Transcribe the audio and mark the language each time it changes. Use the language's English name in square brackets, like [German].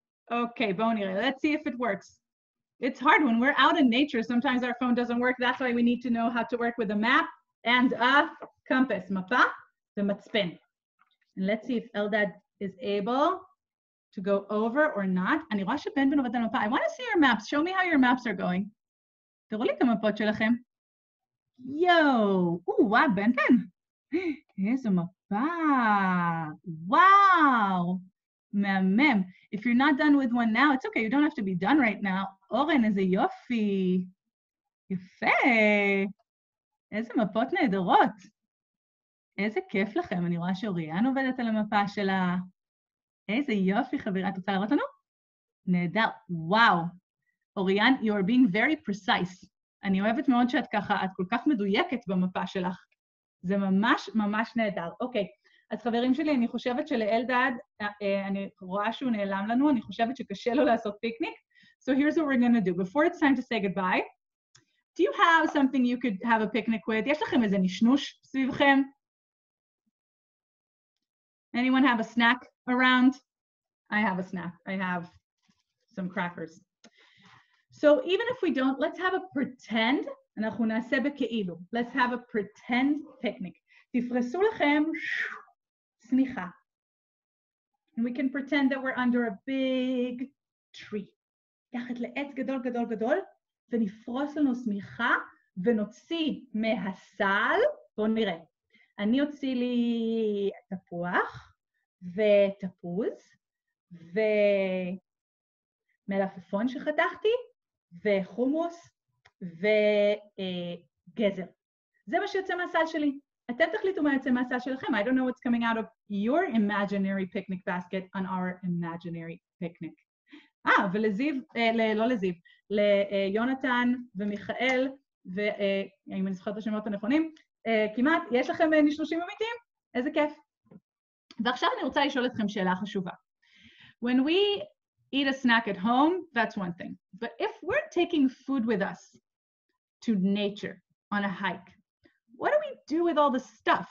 [English] Okay, Bonnie, let's see if it works. It's hard when we're out in nature. Sometimes our phone doesn't work. That's why we need to know how to work with a map and a compass, mapa, the matspin. And let's see if Eldad is able to go over or not. [Hebrew] אני רואה שבן בן עובד על מפה. [English] I want to see your maps. Show me how your maps are going. [Hebrew] תראו לי את המפות שלכם. [English] Yo! Ooh, wow, בן בן. [Hebrew] איזו מפה. Wow! מהמם. [English] If you're not done with one now, it's okay. You don't have to be done right now. [Hebrew] אורן, איזה יופי. יפה. איזה מפות נהדרות. איזה כיף לכם, אני רואה שאוריאן עובדת על המפה שלה. איזה יופי, חברה, את רוצה לראות לנו? נהדר, וואו. אוריאן, [English] you are being very precise. [Hebrew] אני אוהבת מאוד שאת ככה, את כל כך מדויקת במפה שלך. זה ממש ממש נהדר. אוקיי, אז חברים שלי, אני חושבת שלאלדד, אני רואה שהוא נעלם לנו, אני חושבת שקשה לו לעשות פיקניק. [English] So here's what we're gonna do. Before it's time to say goodbye, do you have something you could have a picnic with? [Hebrew] יש לכם איזה נשנוש סביבכם? [English] Anyone have a snack around? I have a snack. I have some crackers. So even if we don't, let's have a pretend. [Hebrew] אנחנו נעשה בכאילו. [English] Let's have a pretend picnic. [Hebrew] תפרסו לכם סניחה. [English] And we can pretend that we're under a big tree. [Hebrew] תחת לעץ גדול גדול גדול, ונפרוס לנו סמיכה, ונוציא מהסל, בואו נראה. אני אוציא לי תפוח, ותפוז, ומלפפון שחתכתי, וחומוס, וגזר. זה מה שיוצא מהסל שלי. אתם תחליטו מה יוצא מהסל שלכם. [English] I don't know what's coming out of your imaginary picnic basket on our imaginary picnic. [Hebrew] ולזיו, לא לזיו, ליונתן ומיכאל, ואם אני זוכרת את השמות הנכונים, כמעט, יש לכם נשנושים אמיתיים? איזה כיף. ועכשיו אני רוצה לשאול אתכם שאלה חשובה. [English] When we eat a snack at home, that's one thing. But if we're taking food with us to nature on a hike, what do we do with all the stuff?